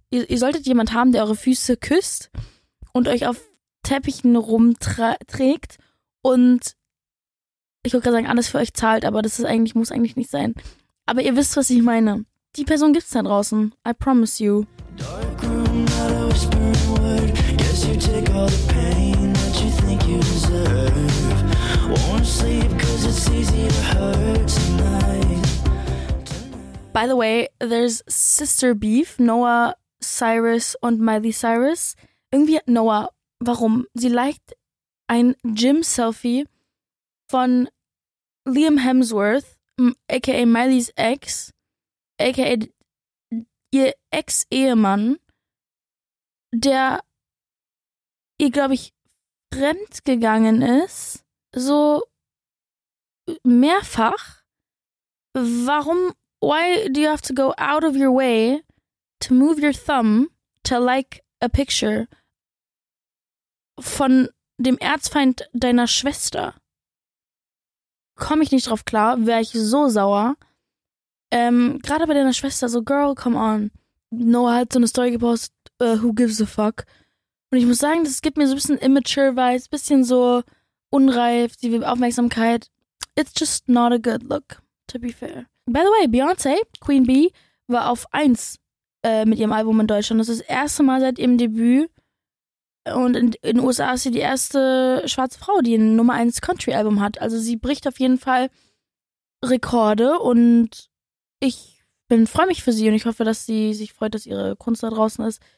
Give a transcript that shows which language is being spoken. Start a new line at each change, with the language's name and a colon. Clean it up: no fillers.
German: Ihr solltet jemand haben, der eure Füße küsst und euch auf Teppichen rumträgt und, ich würde gerade sagen, alles für euch zahlt, aber das ist eigentlich, muss eigentlich nicht sein. Aber ihr wisst, was ich meine. Die Person gibt's da draußen.
English: I promise you. Dark room, not a whispering word. Guess you take all the pain that you think you deserve. Won't sleep cause it's easy to hurt tonight. By the way, there's sister beef.
German: Noah Cyrus und Miley Cyrus. Irgendwie hat Noah, warum? Sie liked ein Gym-Selfie von Liam Hemsworth, aka Miley's Ex, aka ihr Ex-Ehemann, der ihr, glaube ich, fremdgegangen ist, so mehrfach.
English: Warum, why do you have to go out of your way to move your thumb to like a picture
German: von dem Erzfeind deiner Schwester? Komme ich nicht drauf klar, wäre ich so sauer. Gerade bei deiner Schwester, so,
English: girl, come on.
German: Noah hat so eine Story gepostet,
English: who gives a fuck?
German: Und ich muss sagen, das gibt mir so ein bisschen immature vibes, bisschen so unreif, die Aufmerksamkeit.
English: It's just not a good look, to be fair. By the way,
German: Beyoncé, Queen B, war auf 1 mit ihrem Album in Deutschland. Das ist das erste Mal seit ihrem Debüt. Und in den USA ist sie die erste schwarze Frau, die ein Nummer 1 Country-Album hat. Also sie bricht auf jeden Fall Rekorde und ich freue mich für sie und ich hoffe, dass sie sich freut, dass ihre Kunst da draußen ist.